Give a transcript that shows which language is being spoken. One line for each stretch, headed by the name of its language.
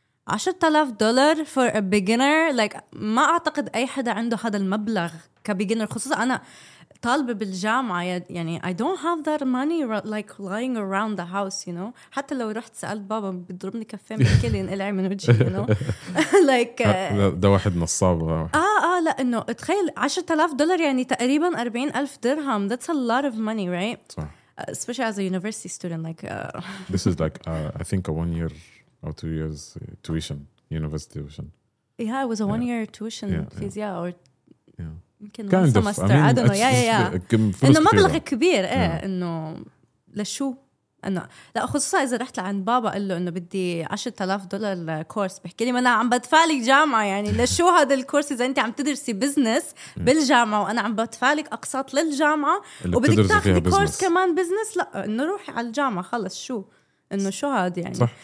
Arabic: $10,000
English: for a beginner like
Arabic: ما أعتقد أي حدا عنده هذا المبلغ كبيجينر خصوصا أنا طالبة بالجامعة يعني
English: I don't have that money like lying around the house you know
Arabic: حتى لو رحت سألت بابا بيضربني كفاية بالكل ينقلعي من وجهي
English: you know like
Arabic: ده واحد نصاب لا إنه تخيل
English: $10,000
Arabic: يعني تقريبا
English: 40,000 dirham that's a lot of money right especially as a university student like this is like I think a 1 year or 2 years tuition, university tuition. Yeah, it was a 1 year tuition fees, yeah. Or yeah. Kind of. Semester. I mean, I don't know. Yeah.
Arabic: إنه مبلغ كبير إيه إنه لشو إنه لا خصوصا إذا رحت لعند بابا قال له إنه بدي $10,000 كورس بحكي لي ما أنا عم بدفع لك جامعة يعني لشو هذا الكورس إذا أنت عم تدرسي بزنس بالجامعة وأنا عم بدفع لك أقساط للجامعة وبدك تاخذي كورس كمان بزنس لا إنه روحي على الجامعة خلص شو إنه شو هاد يعني